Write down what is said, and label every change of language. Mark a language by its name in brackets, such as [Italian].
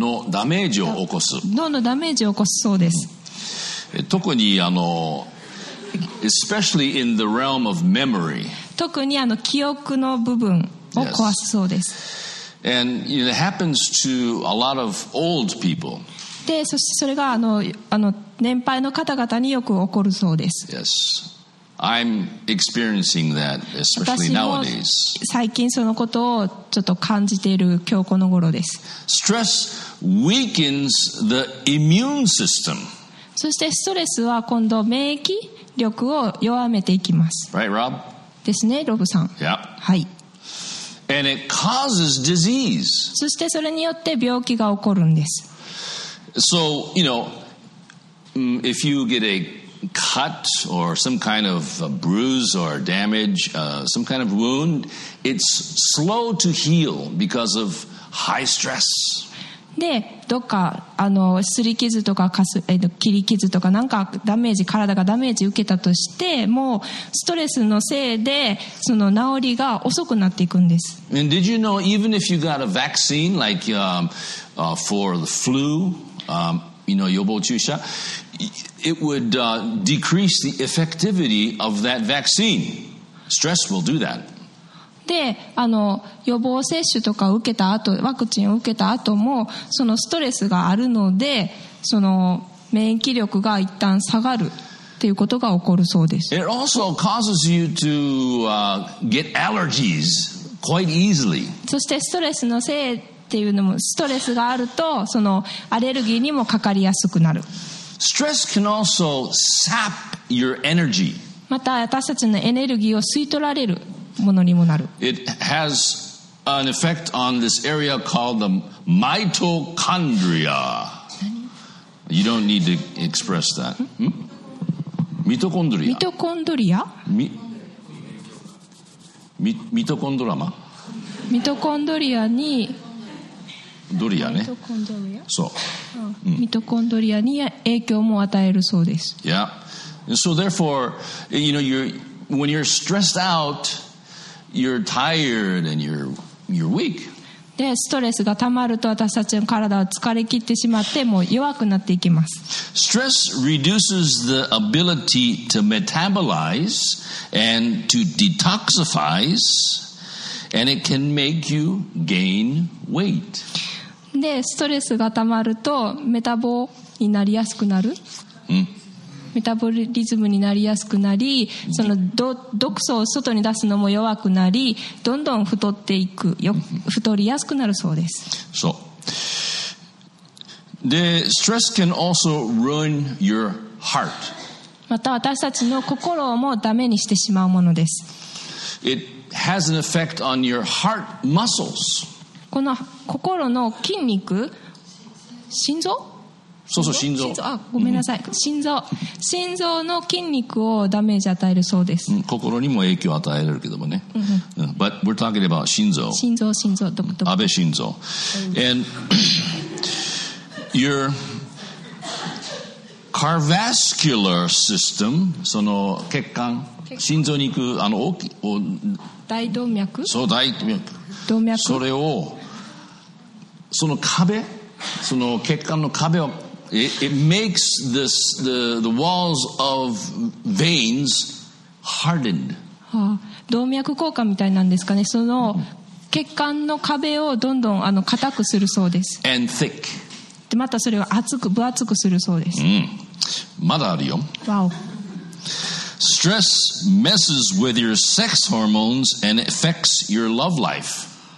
[Japanese] 脳のダメージを起こすそうです。特に [English] especially in the realm of memory. [Japanese] 特に記憶の部分を壊すそうです。 [English] Yes. And you know, it happens to a lot of old people. [Japanese] で、そしてそれが年配の方々によく起こるそうです。 [English] Yes. I'm experiencing that, especially nowadays. [Japanese] 最近そのことをちょっと感じている今日この頃です。 [English] Stress weakens the immune system. [Japanese] そしてストレスは今度免疫力を弱めていきます。 [English] Right, Rob? [Japanese] ですね、ロブさん。 [English] Yep. [Japanese] はい。 [English] And it causes disease. [Japanese] そしてそれによって病気が起こるんです。 [English] So, you know, if you get a cut or some kind of a bruise or damage, some kind of wound, it's slow to heal because of high stress. [Japanese] で、どっか、擦り傷とか、切り傷とか、なんかダメージ、体がダメージ受けたとして、もうストレスのせいで、その治りが遅くなっていくんです。 [English] And did you know, even if you got a vaccine, like, for the flu, you know, [Japanese] 予防注射, [English] it would decrease the effectivity of that vaccine. Stress will do that. [Japanese] で、予防接種とか受けた後、ワクチンを受けた後も、そのストレスがあるので、その免疫力が一旦下がる。ていうことが起こるそうです。 [English] It also causes you to, get allergies quite easily. [Japanese] そしてストレスのせいっていうのも、ストレスがあるとそのアレルギーにもかかりやすくなる。 [English] Stress can also sap your energy. [Japanese] また私たちのエネルギーを吸い取られるものにもなる。 [English] It has an effect on this area called the mitochondria. You don't need to express that. Mitochondria. Mitochondria. Mitochondrama. [Japanese] Mitochondria に。ドリアね。そう。ミトコンドリアに影響も与えるそうです。 [English] Yeah. So therefore, you know, when you're stressed out, you're tired and you're weak. [Japanese] で、ストレスがたまると私たちの体は疲れ切ってしまって、もう弱くなっていきます。 [English] Stress reduces the ability to metabolize and to detoxify, and it can make you gain weight. [Japanese] でストレスがたまるとメタボになりやすくなる、うん、メタボリズムになりやすくなり、その 毒素を外に出すのも弱くなり、どんどん太っていく、太りやすくなるそうです。そうで、 [English] stress can also ruin your heart. [Japanese] また私たちの心をもダメにしてしまうものです。 It has an effect on your heart muscles. この心の筋肉、心臓？そうそう、心臓。あ、ごめんなさい、うん、心臓。心臓の筋肉をダメージ与えるそうです。うん、心にも影響を与えられるけどもね。うん、 [English] But we're talking about 心臓。 [Japanese] 心臓、心臓、ドクドク。安倍心臓。 [English] And your cardiovascular system、 [Japanese] その血管、心臓に行くあの大きい大動脈。そう、大動脈。それをその壁、その血管の壁を [English] it makes this the walls of veins hardened、 [Japanese] はあ、動脈硬化みたいなんですかね、その血管の壁をどんどん硬くするそうです。 [English] and thick、 [Japanese] でまたそれを厚く分厚くするそうです。うん、まだあるよ。 [English] Wow。 Stress messes with your sex hormones and affects your love life.